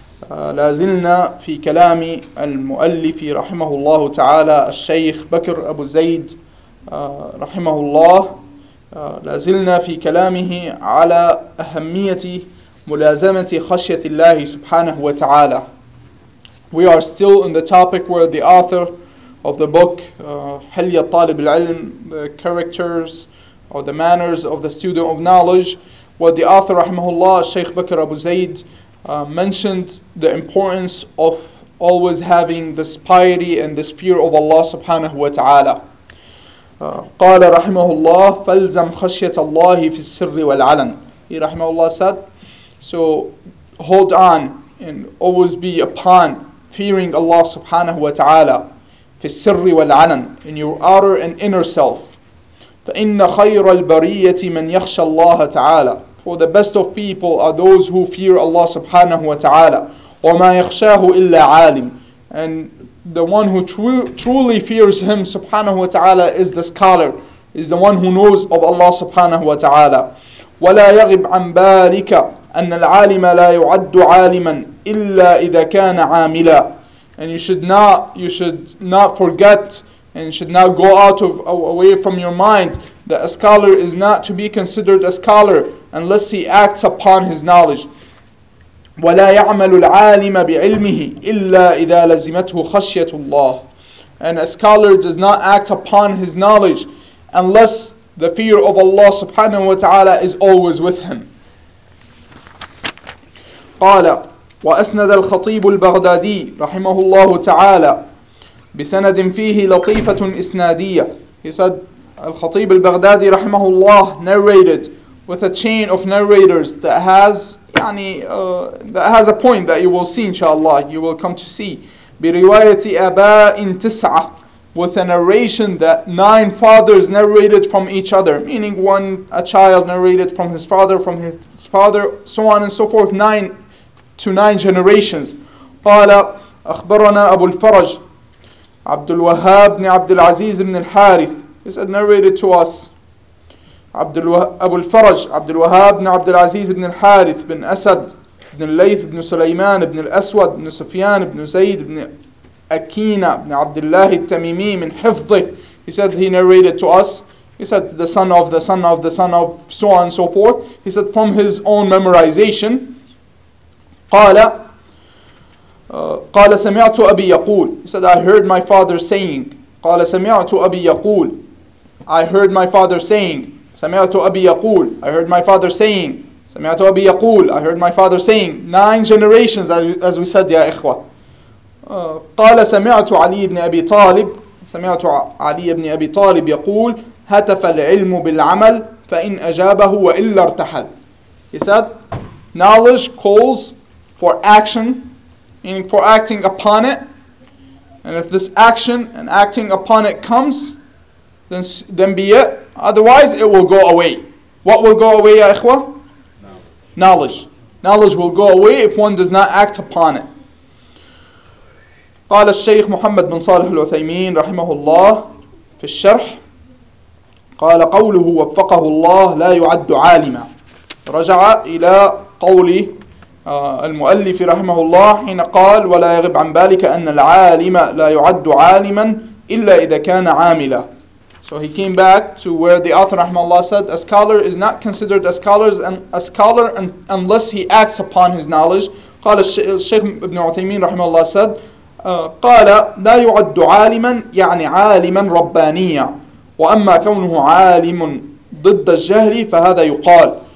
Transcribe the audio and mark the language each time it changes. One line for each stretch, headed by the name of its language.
Arabic: لازلنا في كلام المؤلف رحمه الله تعالى الشيخ بكر أبو زيد رحمه الله، لازلنا في كلامه على أهمية ملازمة خشية الله سبحانه وتعالى.
English: We are still in the topic where the author of the book حلية طالب العلم, the characters or the manners of the student of knowledge, where the author رحمه الله الشيخ بكر أبو زيد mentioned the importance of always having this piety and this fear of Allah subhanahu wa ta'ala.
Arabic: قال رحمه الله فالزم خشية الله في السر والعلن.
English: He رحمه الله said, so hold on and always be upon fearing Allah subhanahu wa ta'ala
Arabic: في السر والعلن,
English: in your outer and inner self.
Arabic: فإن خير البرية من يخشى الله تعالى.
English: For the best of people are those who fear Allah subhanahu wa ta'ala.
Arabic: وَمَا يَخْشَاهُ إِلَّا عَالِمٌ.
English: And the one who truly fears him subhanahu wa ta'ala is the scholar, is the one who knows of Allah subhanahu wa ta'ala.
Arabic: وَلَا يَغِبْ عَنْ بَالِكَ أَنَّ الْعَالِمَ لَا يُعَدُّ عَالِمًا إِلَّا إِذَا كَانَ عَامِلًا.
English: And you should not forget and should not go out of away from your mind that a scholar is not to be considered a scholar unless he acts upon his knowledge.
Arabic: وَلَا يَعْمَلُ الْعَالِمَ بِعِلْمِهِ إِلَّا إِذَا لَزِمَتْهُ خَشْيَةُ اللَّهِ.
English: And a scholar does not act upon his knowledge unless the fear of Allah subhanahu wa ta'ala is always with him.
Arabic: قال وأسند الخطيب البغدادي رحمه الله تعالى بسند فيه لطيفة إسنادية.
English: He said, الخطيب البغدادي رحمه الله narrated with a chain of narrators that has a point that you will see inshallah, you will come to see.
Arabic: برواية أباء تسعة,
English: with a narration that nine fathers narrated from each other, meaning one, a child narrated from his father, from his father, so on and so forth, nine generations.
Arabic: قال أخبرنا أبو الفرج عبد الوهاب بن عبد العزيز بن الحارث.
English: He said, narrated to us
Arabic: أبو الفرج عبد الوهاب بن عبد العزيز بن الحارث بن أسد بن الليث بن سليمان بن الأسود بن سفيان بن زيد بن أكينة بن عبد الله التميمي من حفظه.
English: He said, he narrated to us, he said, the son of the son of the son of so on and so forth. He said, from his own memorization.
Arabic: قال سمعت أبي يقول.
English: He said, I heard my father saying.
Arabic: قال سمعت أبي يقول.
English: I heard my father saying.
Arabic: سمعت أبي يقول.
English: I heard my father saying.
Arabic: سمعت أبي يقول.
English: I heard my father saying. Nine generations, as we said,
Arabic: يا إخوة. قال سمعت علي بن أبي طالب. سمعت علي بن أبي طالب يقول هتف العلم بالعمل فإن أجابه وإلا ارتحل.
English: He said, knowledge calls for action, meaning for acting upon it. And if this action and acting upon it comes, then be it. Otherwise, it will go away. What will go away, ya ikhwa? Knowledge. Knowledge will go away if one does not act upon it.
Arabic: قال الشيخ محمد بن صالح العثيمين رحمه الله في الشرح قال قوله وفقه الله لا يعد عالما. رجع إلى قوله المؤلف رحمه الله حين قال ولا يغب عن بالك أن العالم لا يعد عالما إلا إذا كان عاملا.
English: So he came back to where the author رحمه الله said a scholar is not considered a scholar unless he acts upon his knowledge.
Arabic: قال الشيخ ابن عثيمين رحمه الله
English: said
Arabic: قال لا يعد عالما يعني عالما ربانيا وأما كونه عالم ضد الجهل فهذا يقال.